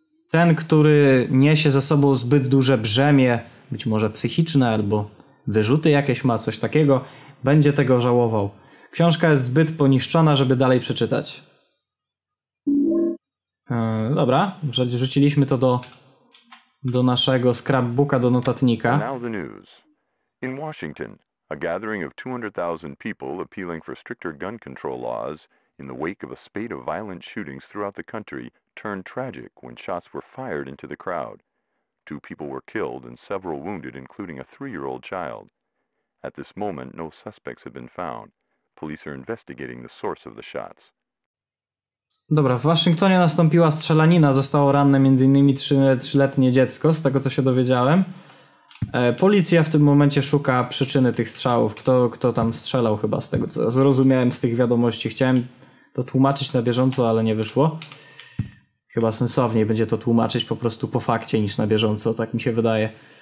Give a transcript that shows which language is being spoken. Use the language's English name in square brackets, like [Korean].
[Polish] Ten, który niesie ze sobą zbyt duże brzemię, być może psychiczne albo wyrzuty jakieś ma, coś takiego, będzie tego żałował. Książka jest zbyt poniszczona, żeby dalej przeczytać. Dobra, wrzuciliśmy to do naszego scrapbooka, do notatnika. [English] Now the news. In Washington, a gathering of 200,000 people appealing for stricter gun control laws in the wake of a spate of violent shootings throughout the country turned tragic when shots were fired into the crowd. 2 people were killed and several wounded, including a 3-year-old child. At this moment, no suspects have been found. Police are investigating the source of the shots. [Polish] Dobra, w Waszyngtonie nastąpiła strzelanina, zostało ranne między innymi 3-letnie dziecko, z tego co się dowiedziałem. Policja w tym momencie szuka przyczyny tych strzałów, kto tam strzelał, chyba z tego co zrozumiałem z tych wiadomości. Chciałem to tłumaczyć na bieżąco, ale nie wyszło. Chyba sensowniej będzie to tłumaczyć po prostu po fakcie niż na bieżąco, tak mi się wydaje.